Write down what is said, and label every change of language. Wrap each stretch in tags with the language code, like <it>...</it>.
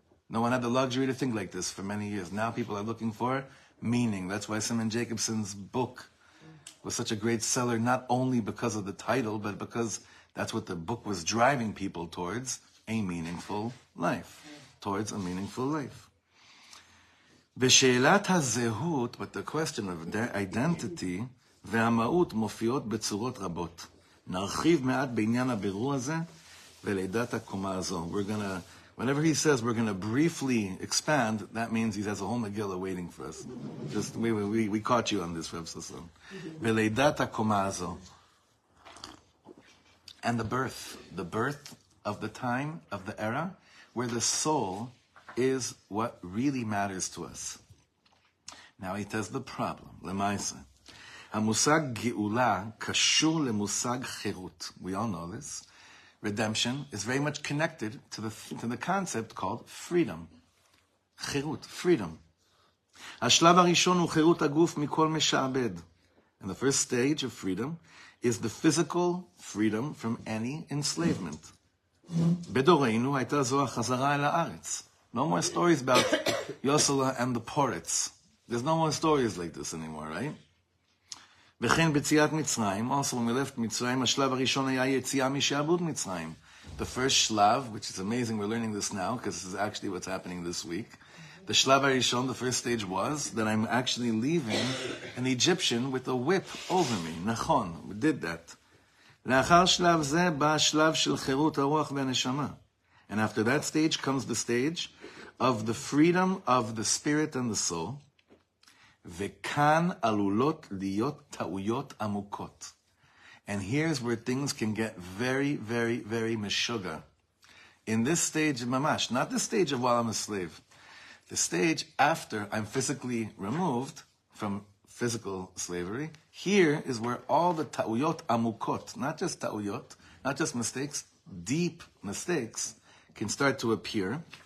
<en>No one had the luxury to think like this for many years. Now people are looking for meaning. That's why Simon Jacobson's book was such a great seller, not only because of the title, but because that's what the book was driving people towards, a meaningful life. Towards a meaningful life.</en> <he>בשאלת הזהות,</he> <en>but the question of identity,</en> <he>והמהות מופיעות בצורות רבות. נרחיב מעט בעניין הבירור הזה ולידת הקומה הזו.</he> <en>We're going to... Whenever he says we're going to briefly expand, that means he has a whole Megillah waiting for us. Just we caught you on this, Rav Sasson.</en> <he>Veleidat hakoma hazo.</he> <en>And the birth of the time, of the era, where the soul is what really matters to us. Now he says the problem, lemaisa.</en> <he>Hamusag geula kashur lemusag chirut.</he> <en>We all know this. Redemption is very much connected to the concept called freedom. Chirut, freedom.</en> <he>Hashlav harishon hu chirut haguf mikol meshabed.</he> <en>And the first stage of freedom is the physical freedom from any enslavement.</en> <he>Bedoreinu hayta zo hachazara el haaretz.</he> <en>No more stories about Yosela and the Poritz. There's no more stories like this anymore, right?</en> <he>וכן ביציאת מצרים,</he> <en>also when we left</en> <he>מצרים, השלב הראשון היה יציאה משעבוד מצרים.</he> <en>The first shlav, which is amazing, we're learning this now, because this is actually what's happening this week. The shlav</en> <he>הראשון,</he> <en>the first stage was, that I'm actually leaving an Egyptian with a whip over me.</en> <he>נכון,</he> <en>we did that.</en> <he>לאחר שלב זה בא השלב של חירות הרוח והנשמה.</he> <en>And after that stage comes the stage of the freedom of the spirit and the soul.</en> <he>וכאן עלולות להיות טעויות עמוקות.</he> <en>And here's where things can get very, very, very meshuga. in this stage of mamash, not the stage of while I'm a slave, the stage after I'm physically removed from physical slavery, here is where all the</en> <he>ta'uyot amukot,</he> <en>not just ta'uyot, not just mistakes, deep mistakes, can start to appear.</en>